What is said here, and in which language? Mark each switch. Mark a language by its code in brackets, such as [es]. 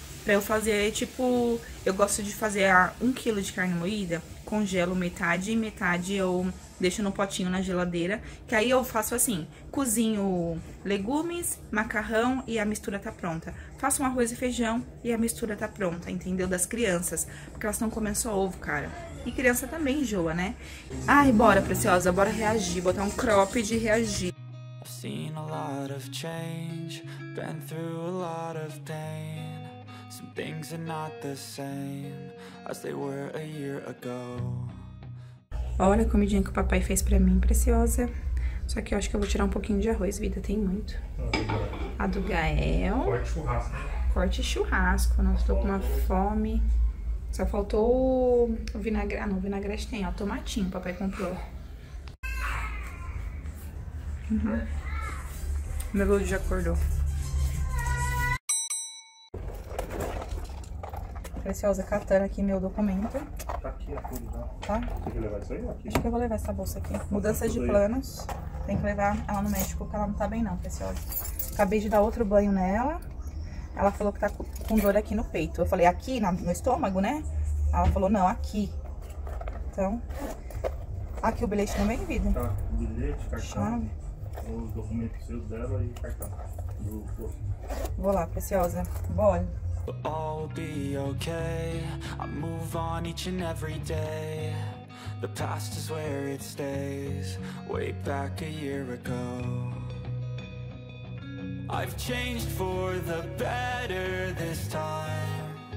[pt] Pra eu fazer, tipo, eu gosto de fazer 1 quilo de carne moída, congelo metade e metade eu deixo no potinho na geladeira. Que aí eu faço assim: cozinho legumes, macarrão e a mistura tá pronta. Faço um arroz e feijão e a mistura tá pronta, entendeu? Das crianças. Porque elas estão comendo só ovo, cara. E criança também enjoa, né? Ai, bora, preciosa, bora reagir. Botar um cropped e reagir. [en] Seen a lot of change, been through a lot of pain. Some things are not the same as they were a year ago. [pt] Olha a comidinha que o papai fez pra mim, preciosa. Só que eu acho que eu vou tirar um pouquinho de arroz, vida, tem muito. A do Gael. Corte churrasco. Corte churrasco. Nossa, tô com uma fome. Só faltou o vinagre. Ah, não, o vinagre tem, ó. Tomatinho, o papai comprou. Melody já acordou. Preciosa, catando aqui meu documento. Tá aqui a folha. Tá? Você quer levar isso aí ou aqui? Acho que eu vou levar essa bolsa aqui. Mudança de Tudo aí. planos. Tem que levar ela no médico, porque ela não tá bem não, preciosa. Acabei de dar outro banho nela. Ela falou que tá com dor aqui no peito. Eu falei, aqui no estômago, né? Ela falou, não, aqui. Então, aqui o bilhete também, vida. Tá, bilhete, cartão. Chave. O documento seu dela e cartão do posto. Vou lá, preciosa. Bora. [en] All be okay. I move on each and every day. The past is where it stays, way back a year ago. I've changed for the better this time.